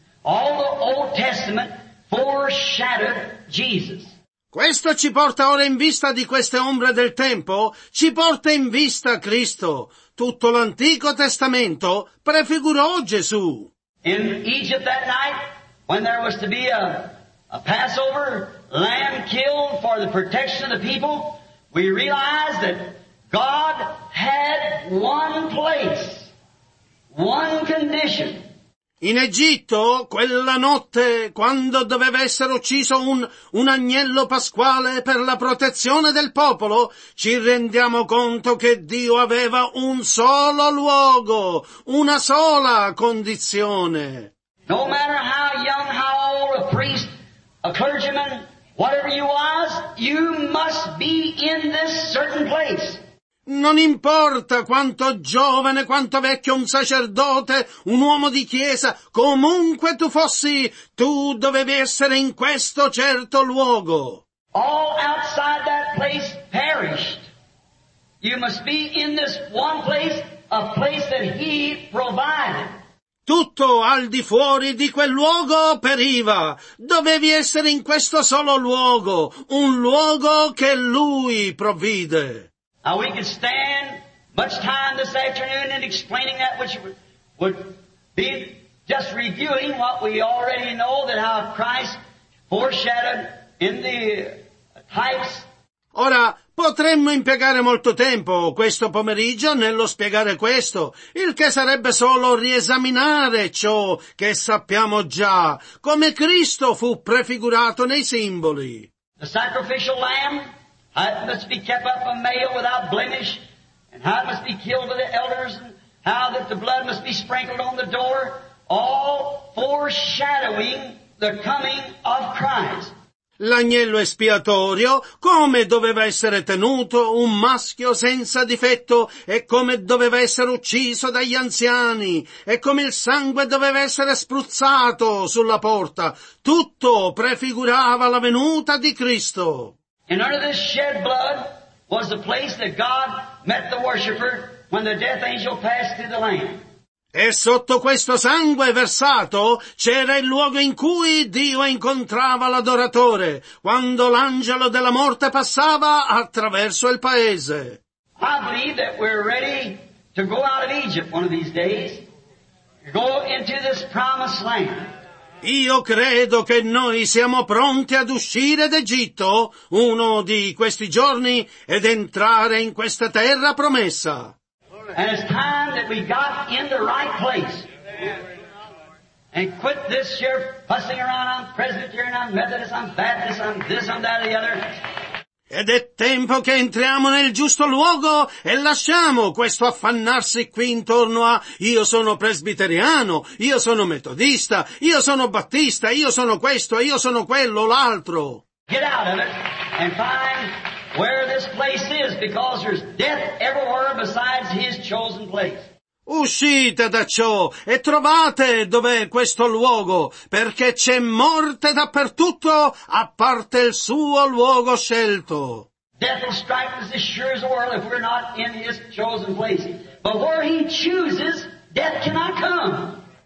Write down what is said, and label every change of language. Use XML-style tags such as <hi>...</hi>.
<en>All the Old Testament foreshadowed Jesus.</en> <it>Questo ci porta ora in vista di queste ombre del tempo, ci porta in vista Cristo. Tutto l'Antico Testamento prefigurò Gesù.</it> <en>In Egypt that night, when there was to be a Passover lamb killed for the protection of the people, we realize that God had one place, one condition.</en> <it>In Egitto, quella notte, quando doveva essere ucciso un agnello pasquale per la protezione del popolo, ci rendiamo conto che Dio aveva un solo luogo, una sola condizione.</it> <en>No matter how young, how old, a priest, a clergyman, whatever you was, you must be in this certain place.</en> <it>Non importa quanto giovane, quanto vecchio, un sacerdote, un uomo di chiesa, comunque tu fossi, tu dovevi essere in questo certo luogo.</it> <en>All outside that place perished. You must be in this one place, a place that he provided.</en> <it>Tutto al di fuori di quel luogo periva. Dovevi essere in questo solo luogo, un luogo che lui provvide.</it> <en>Now we could stand much time this afternoon in explaining that which would be just reviewing what we already know, that how Christ foreshadowed in the types.</en> <it>Ora, potremmo impiegare molto tempo questo pomeriggio nello spiegare questo, il che sarebbe solo riesaminare ciò che sappiamo già, come Cristo fu prefigurato nei simboli.</it> <en>The sacrificial lamb, how it must be kept up a male without blemish, and how it must be killed by the elders, and how that the blood must be sprinkled on the door, all foreshadowing the coming of Christ.</en> <it>L'agnello espiatorio, come doveva essere tenuto un maschio senza difetto e come doveva essere ucciso dagli anziani e come il sangue doveva essere spruzzato sulla porta. Tutto prefigurava la venuta di Cristo.</it> <en>And under this shed blood was the place that God met the worshipper when the death angel passed through the land.</en> <it>E sotto questo sangue versato c'era il luogo in cui Dio incontrava l'adoratore quando l'angelo della morte passava attraverso il paese.</it> <en>I believe that we're ready to go out of Egypt one of these days, go into this promised land.</en> <it>Io credo che noi siamo pronti ad uscire d'Egitto uno di questi giorni ed entrare in questa terra promessa.</it> <en>And it's time that we got in the right place. And quit this year fussing around, I'm Presbyterian, I'm Methodist, I'm Baptist, I'm this, I'm that, or the other.</en> <it>Ed è tempo che entriamo nel giusto luogo e lasciamo questo affannarsi qui intorno a io sono presbiteriano, io sono metodista, io sono battista, io sono questo, io sono quello, l'altro.</it> <en>Get out of it and find where this place is, because there's death everywhere besides his chosen place.</en> <it>Uscite da ciò e trovate dov'è questo luogo, perché c'è morte dappertutto a parte il suo luogo scelto.</it> <en>Death will strike us as sure as the world if we're not in his chosen place. But where he chooses, death cannot come.</en>